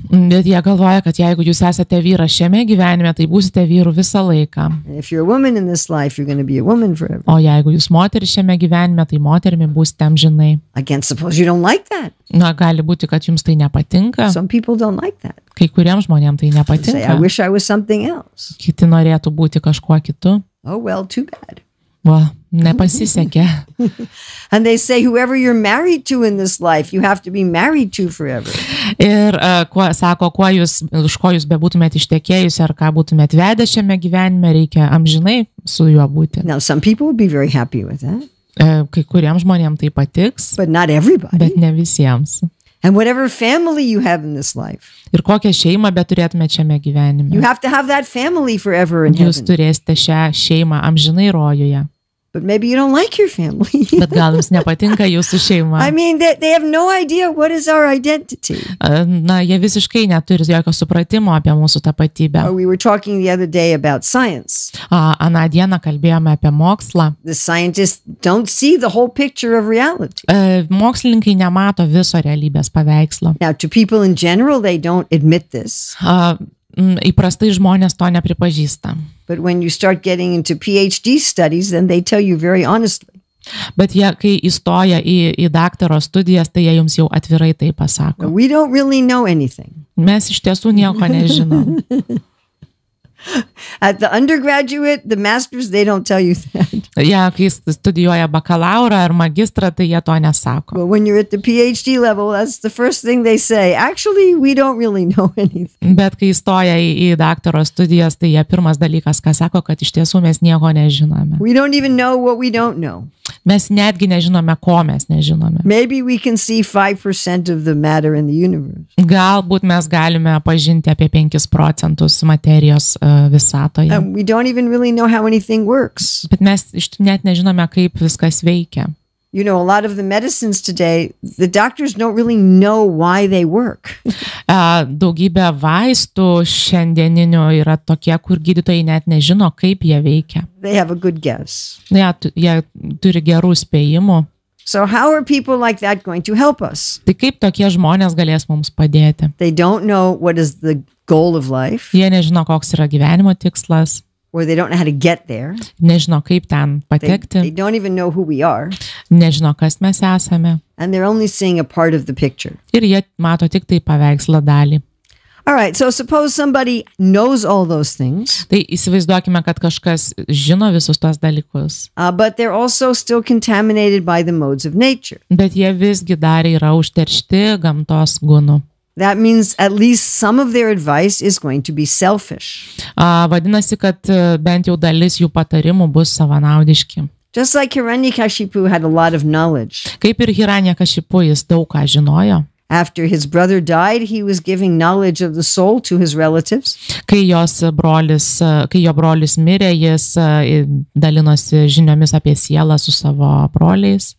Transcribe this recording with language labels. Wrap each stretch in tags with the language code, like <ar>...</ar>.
<lt>Bet jie galvoja, kad jeigu jūs esate vyras šiame gyvenime, tai būsite vyru visą laiką.</lt> <en>And if you're a woman in this life, you're going to be a woman forever.</en> <lt>O jeigu jūs moteris šiame gyvenime, tai moterimi būsite amžinai.</lt> <en>Again, suppose you don't like that.</en> <lt>Na, gali būti, kad jums tai nepatinka.</lt> <en>Some people don't like that.</en> <lt>Kai kuriems žmonėms tai nepatinka.</lt> <en>I wish I was something else.</en> <lt>Kiti norėtų būti kažkuo kitu.</lt> <en>Oh, well, too bad.</en> <lt>Va, nepasisekė.</lt> <en>And they say, whoever you're married to in this life, you have to be married to forever.</en> <lt>Ir už ko jūs bebūtumėt ištekėjusi, ar ką būtumėt vedę šiame gyvenime, reikia amžinai su juo būti.</lt> <en>Now, some people would be very happy with that.</en> <lt>Kai kuriems žmonėms tai patiks.</lt> <en>But not everybody.</en> <lt>Bet ne visiems.</lt> <en>And whatever family you have in this life.</en> <lt>Ir kokią šeimą beturėtumėt šiame gyvenime.</lt> <en>You have to have that family forever in heaven.</en> <lt>Jūs turėsite šią šeimą amžinai rojuje.</lt> <en>But maybe you don't like your family.</en> <lt>Bet gal jums nepatinka jūsų šeima.</lt> <en>I mean, they have no idea what is our identity.</en> <lt>Na, jie visiškai neturi jokio supratimo apie mūsų tapatybę.</lt> <en>Or we were talking the other day about science.</en> <lt>Aną dieną kalbėjome apie mokslą.</lt> <en>The scientists don't see the whole picture of reality.</en> <lt>Mokslininkai nemato viso realybės paveikslo.</lt> <en>Now, to people in general, they don't admit this.</en> <lt>Įprastai žmonės to nepripažįsta.</lt> <en>But when you start getting into PhD studies, then they tell you very honestly.</en> <lt>Bet jie, kai įstoja į daktaro studijas, tai jie jums jau atvirai tai pasako.</lt> <en>We don't really know anything.</en> <lt>Mes iš tiesų nieko nežinom.</lt> <en>At the undergraduate, the masters, they don't tell you that.</en> <lt>Yeah, kai studijuoja bakalaurą ar magistrą, tai jie to nesako.</lt> <en>But when you're at the PhD level, that's the first thing they say. Actually, we don't really know anything.</en> <lt>Bet kai stoja į daktaro studijas, tai jie pirmas dalykas, ką sako, kad iš tiesų mes nieko nežinome.</lt> <en>We don't even know what we don't know.</en> <lt>Mes netgi nežinome, ko mes nežinome.</lt> <en>Maybe we can see 5% of the matter in the universe.</en> <lt>Galbūt mes galime pažinti apie 5% materijos visatoje.</lt> <en>And we don't even really know how anything works.</en> <lt>Bet mes net nežinome, kaip viskas veikia.</lt> <en>You know, a lot of the medicines today, the doctors don't really know why they work.</en> <lt>Daugybė vaistų šiandieninių yra tokie, kur gydytojai net nežino, kaip jie veikia.</lt> <en>They have a good guess.</en> <lt>Jie turi gerų spėjimų.</lt> <en>So how are people like that going to help us?</en> <lt>Tai kaip tokie žmonės galės mums padėti?</lt> <en>They don't know what is the goal of life.</en> <lt>Jie nežino, koks yra gyvenimo tikslas.</lt> <en>Or they don't know how to get there.</en> <lt>Nežino, kaip ten patekti.</lt> <en>They don't even know who we are.</en> <lt>Nežino, kas mes esame.</lt> <en>And they're only seeing a part of the picture.</en> <lt>Ir jie mato tik tai paveikslo dalį.</lt> <en>All right, so suppose somebody knows all those things.</en> <lt>Tai įsivaizduokime, kad kažkas žino visus tuos dalykus.</lt> <en>But they're also still contaminated by the modes of nature.</en> <lt>Bet jie visgi dar yra užteršti gamtos gunų.</lt> <en>That means at least some of their advice is going to be selfish.</en> <lt>Vadinasi, kad bent jau dalis jų patarimų bus savanaudiški.</lt> <en>Just like Hiranyakashipu had a lot of knowledge.</en> <lt>Kaip ir Hiranyakashipu, jis daug ką žinojo.</lt> <en>After his brother died, he was giving knowledge of the soul to his relatives.</en> <lt>Kai jo brolis mirė, jis dalinosi žiniomis apie sielą su savo broliais.</lt>